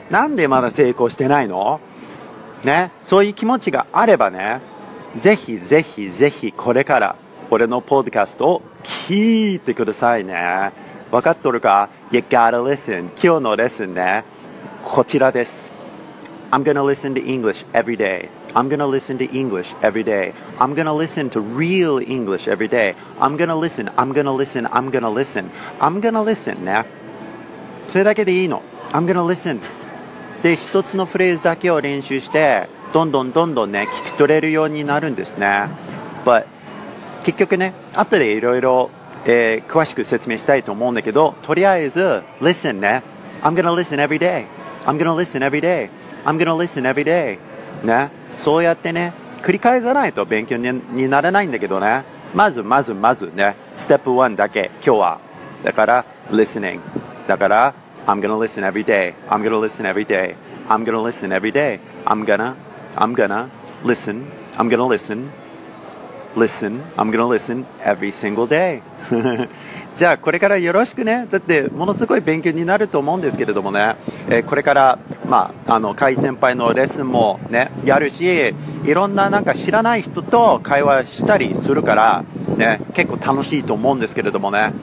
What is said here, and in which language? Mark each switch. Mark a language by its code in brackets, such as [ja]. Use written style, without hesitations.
[ja] なんでまだ成功してないの？ね。そういう気持ちがあればね、ぜひぜひぜひこれから俺のポッドキャストを聞いてくださいね。分かっとるか？ [en] You gotta listen. [ja] 今日のレッスンね、こちらです。 [en] I'm gonna listen to English every day. I'm gonna listen to English every day. I'm gonna listen to real English every day. I'm gonna listen. I'm gonna listen. I'm gonna listen. I'm gonna listen ね。 [ja] それだけでいいの。 [en] I'm gonna listen. [ja] で、一つのフレーズだけを練習して、どんどんどんどんね、聞き取れるようになるんですね。 But 結局ね、後でいろいろ詳しく説明したいと思うんだけど、とりあえず listen ね。 [en] I'm gonna listen every day. I'm gonna listen every day. I'm gonna listen every day ね。 [ja] そうやってね、繰り返さないと勉強 にならないんだけどね。まずまずまずね、ステップ1だけ今日は。 [en] だから listening、 だから I'm gonna listen every day. I'm gonna listen every day. I'm gonna listen every day. I'm gonna listen. I'm gonna listenListen, I'm gonna listen every single day. [ja] じゃあこれからよろしくね。だってものすごい勉強になると思うんですけれどもね、これから、まあ、カイ先輩のレッスンもね、やるし、いろんななんか知らない人と会話したりするからね、結構楽しいと思うんですけれどもね。